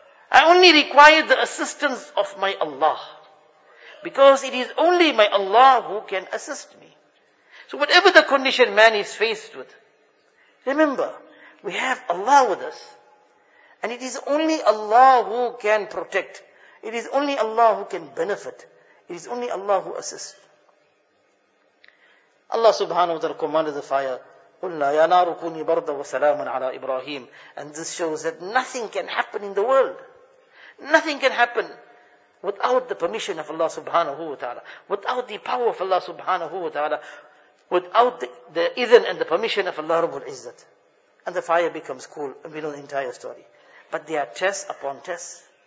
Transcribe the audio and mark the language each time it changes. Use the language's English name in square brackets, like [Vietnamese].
[English] I only require the assistance of my Allah. Because it is only my Allah who can assist me. So whatever the condition man is faced with, remember, we have Allah with us. And it is only Allah who can protect. It is only Allah who can benefit. It is only Allah who assists. Allah subhanahu wa ta'ala commanded the fire, [Arabic] قُلْنَا يَا نَارُ كُونِي بَرْدًا وَسَلَامًا عَلَىٰ إِبْرَاهِيمٍ. [English] And this shows that nothing can happen in the world. Nothing can happen without the permission of Allah subhanahu wa ta'ala, without the power of Allah subhanahu wa ta'ala, without the idhn and the permission of Allah Rabbul Izzat. And the fire becomes cool, and we know the entire story. But there are tests upon tests.